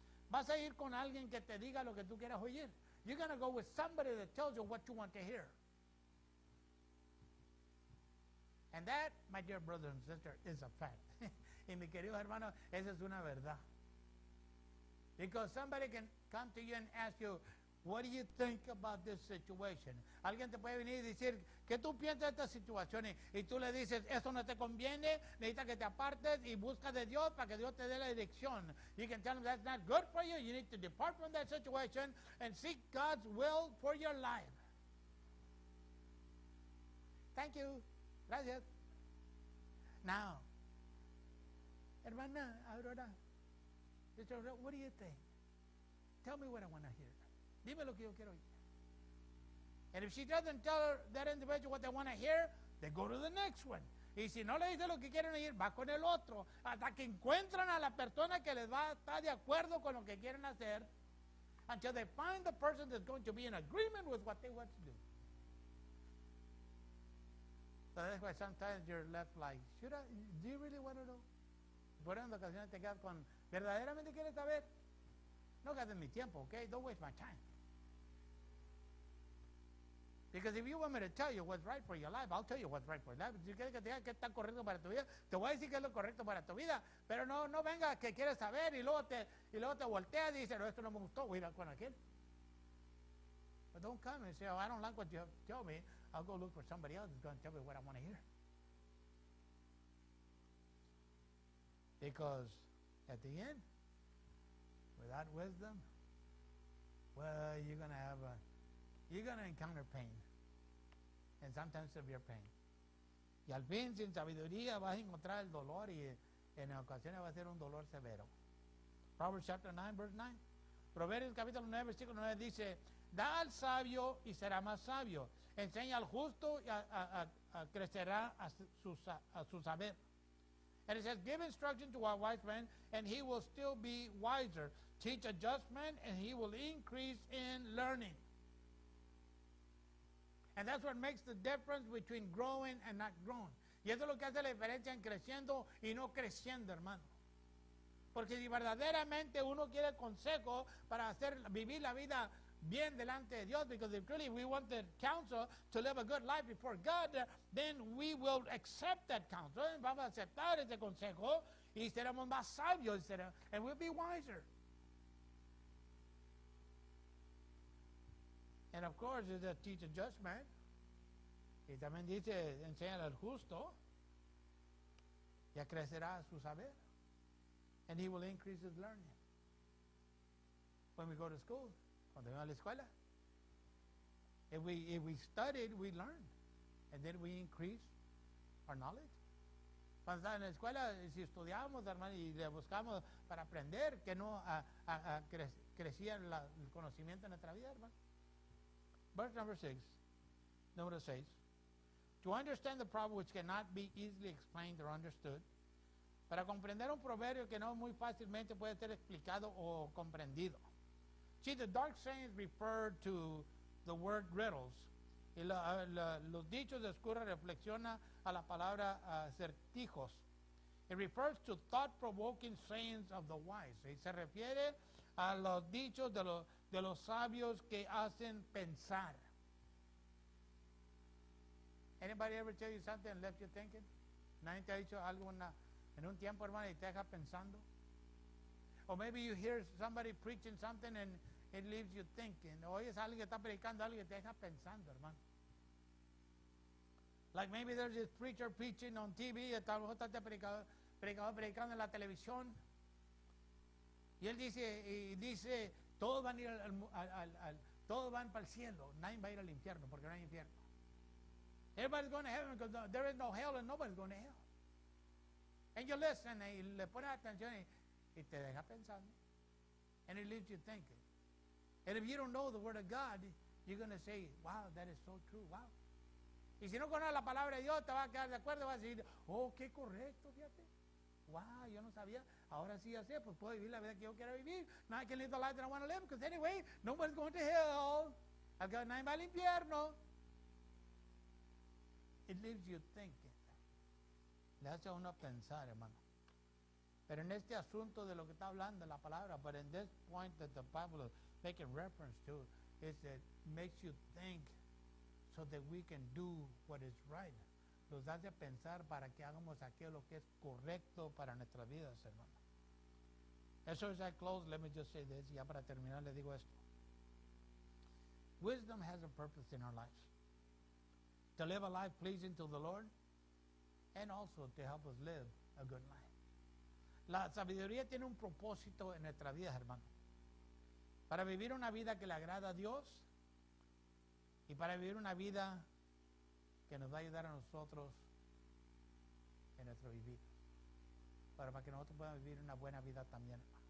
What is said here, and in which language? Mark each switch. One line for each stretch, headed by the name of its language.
Spanish: Vas a ir con alguien que te diga lo que tú quieras oír.
English: You're going to go with somebody that tells you what you want to hear. And that, my dear brother and sister, is a fact.
Spanish: Y mi querido hermano, esa es una verdad.
English: Because somebody can come to you and ask you, what do you think about this situation?
Spanish: Alguien te puede venir y decir, ¿qué tú piensas de esta situación? Y tú le dices, eso no te conviene, necesitas que te apartes y buscas de Dios para que Dios te dé la dirección.
English: You can tell them that's not good for you. You need to depart from that situation and seek God's will for your life. Thank you.
Spanish: Gracias.
English: Now,
Spanish: hermana Aurora,
English: sister Aurora, what do you think? Tell me what I want to hear.
Spanish: Dime lo que yo quiero oír.
English: And if she doesn't tell that individual what they want to hear, they go to the next one.
Spanish: Y si no le dice lo que quieren oír, va con el otro. Hasta que encuentran a la persona que les va a estar de acuerdo con lo que quieren hacer.
English: Until they find the person that's going to be in agreement with what they want to do. So that's why sometimes you're left like, do you really want to know?
Spanish: Por eso en ocasiones te quedas con, ¿verdaderamente quieres saber? No gasten mi tiempo, okay?
English: Don't waste my time. Because if you want me to tell you what's right for your life, I'll tell you what's right for your life.
Spanish: Si quieres que te diga qué está correcto para tu vida, te voy a decir qué es lo correcto para tu vida. Pero no venga que quieres saber y luego te voltea y dice, no, esto no me gustó, voy a ir con aquel.
English: But don't come and say, oh, I don't like what you have to tell me. I'll go look for somebody else that's going to tell me what I want to hear. Because at the end, without wisdom, well, you're gonna encounter pain, and sometimes severe pain.
Spanish: Y al fin, sin sabiduría, vas a encontrar el dolor y en ocasiones va a ser un dolor severo.
English: Proverbs chapter 9, verse 9.
Spanish: Proverbios capítulo 9, versículo 9 dice, da al sabio y será más sabio. Enseña al justo y crecerá a su saber.
English: And it says, give instruction to a wise man and he will still be wiser. Teach a just man and he will increase in learning. And that's what makes the difference between growing and not growing.
Spanish: Y eso es lo que hace la diferencia en creciendo y no creciendo, hermano. Porque si verdaderamente uno quiere consejo para hacer vivir la vida bien delante de Dios,
English: because if really we want the counsel to live a good life before God, then we will accept that counsel.
Spanish: Vamos a aceptar ese consejo y seremos más sabios,
English: and we'll be wiser. And of course, it's a teacher just man.
Spanish: Y también dice, enseña al justo, y crecerá su saber.
English: And he will increase his learning. When we go to school,
Spanish: cuando vamos a la escuela,
English: if we studied, we learned. And then we increase our knowledge.
Spanish: Cuando estamos en la escuela, si estudiamos, hermano, y le buscamos para aprender, que no crecía el conocimiento en nuestra vida, hermano.
English: Verse number 6,
Spanish: número 6,
English: to understand the proverb which cannot be easily explained or understood,
Spanish: para comprender un proverbio que no muy fácilmente puede ser explicado o comprendido.
English: See, the dark sayings refer to the word riddles.
Spanish: Y los dichos de oscura reflexiona a la palabra acertijos.
English: It refers to thought-provoking sayings of the wise.
Spanish: Y se refiere a los dichos de los sabios que hacen pensar.
English: Anybody ever tell you something and left you thinking?
Spanish: ¿Nadie te ha dicho algo en un tiempo, hermano, y te deja pensando?
English: Or maybe you hear somebody preaching something and it leaves you thinking.
Spanish: Oyes alguien que está predicando algo y te deja pensando, hermano.
English: Like maybe there's this preacher preaching on TV,
Spanish: y tal vez está predicando en la televisión. Y él dice, todos van para el cielo, nadie va a ir al infierno porque no hay infierno.
English: Everybody's going to heaven because there is no hell and nobody's going to hell. And you listen,
Spanish: y le pones atención y te deja pensando.
English: And it leaves you thinking. And if you don't know the word of God, you're going to say, wow, that is so true, wow.
Spanish: Y si no conoces la palabra de Dios, te vas a quedar de acuerdo y vas a decir, oh, qué correcto, fíjate. Wow, yo no sabía. Ahora sí ya sé, pues puedo vivir la vida que yo quiero vivir.
English: Now I can live the life that I want to live, because anyway, nobody's going to hell. I've got nine
Spanish: al infierno.
English: It leaves you thinking.
Spanish: Le hace a uno pensar, hermano. Pero en este asunto de lo que está hablando la palabra,
English: but in this point that the Bible is making reference to, is it makes you think so that we can do what is right.
Spanish: Nos hace pensar para que hagamos aquello que es correcto para nuestras vidas, hermano. Eso es,
English: I close, let me just say this,
Spanish: ya para terminar le digo esto.
English: Wisdom has a purpose in our lives. To live a life pleasing to the Lord, and also to help us live a good life.
Spanish: La sabiduría tiene un propósito en nuestra vida, hermano. Para vivir una vida que le agrada a Dios, y para vivir una vida que nos va a ayudar a nosotros en nuestro vivir. Para que nosotros podamos vivir una buena vida también.